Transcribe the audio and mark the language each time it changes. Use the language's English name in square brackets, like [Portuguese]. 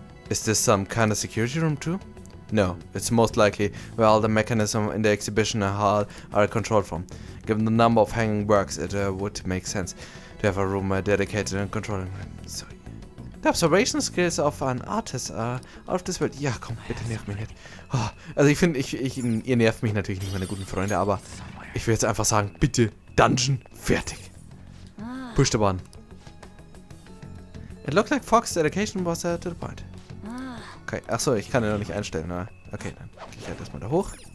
[English] Is this some kind of security room too? No, it's most likely where all the mechanisms in the exhibition hall are controlled from. Given the number of hanging works, it would make sense to have a room dedicated and controlling room. So, the observation skills of an artist are out of this world. [German] Ja, komm, bitte nerv mich nicht. Oh, also ich finde, ihr nervt mich natürlich nicht, meine guten Freunde, aber ich will jetzt einfach sagen, bitte, Dungeon, fertig. [English] Push the button. It looked like Fox's dedication was to the point. [German] Okay, achso, ich kann ihn noch nicht einstellen, ne? Okay, dann gehe ich halt erstmal da hoch.